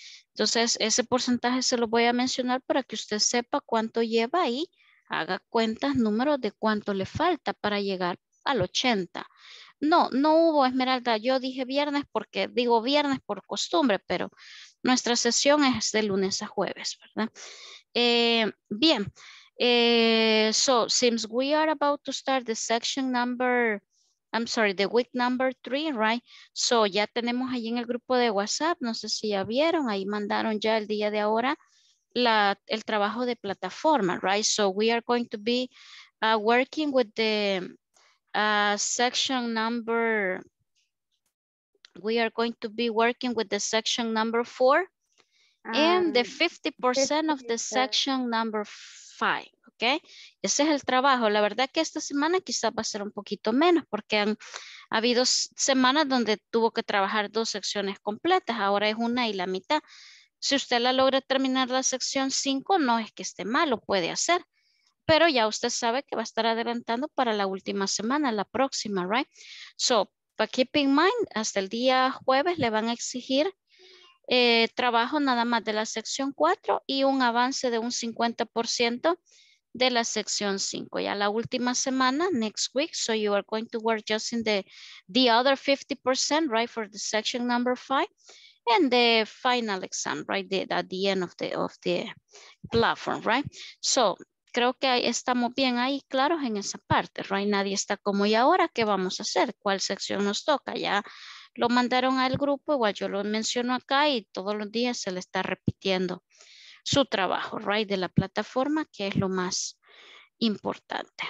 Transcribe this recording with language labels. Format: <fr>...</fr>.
<es>Entonces, ese porcentaje se lo voy a mencionar para que usted sepa cuánto lleva y haga cuentas, números de cuánto le falta para llegar al 80. No, no hubo Esmeralda. Yo dije viernes porque digo viernes por costumbre, pero nuestra sesión es de lunes a jueves, ¿verdad? Bien.</es> <en>So, since we are about to start the section number I'm sorry, the week number 3, right?</en> <es>So ya tenemos ahí en el grupo de WhatsApp, no sé si ya vieron, ahí mandaron ya el día de ahora el trabajo de plataforma, right?</es> <en>So we are going to be working with the section number, we are going to be working with the section number 4 and the 50% of the section number 5.</en> <es>Okay. Ese es el trabajo. La verdad que esta semana quizás va a ser un poquito menos porque han habido semanas donde tuvo que trabajar dos secciones completas. Ahora es una y la mitad. Si usted la logra terminar la sección 5, no es que esté mal, lo puede hacer. Pero ya usted sabe que va a estar adelantando para la última semana, la próxima, right?</es> <en>So, but keep in mind,</en> <es>hasta el día jueves le van a exigir trabajo nada más de la sección 4 y un avance de un 50% de la sección 5. Ya la última semana,</es> <en>next week, so you are going to work just in the other 50%, right, for the section number 5 and the final exam, right, at the end of the platform, right?</en> <es>So, creo que estamos bien ahí claros en esa parte, right? Nadie está como, ¿y ahora qué vamos a hacer? ¿Cuál sección nos toca? Ya lo mandaron al grupo, igual yo lo menciono acá y todos los días se le está repitiendo su trabajo, right, de la plataforma, que es lo más importante.</es>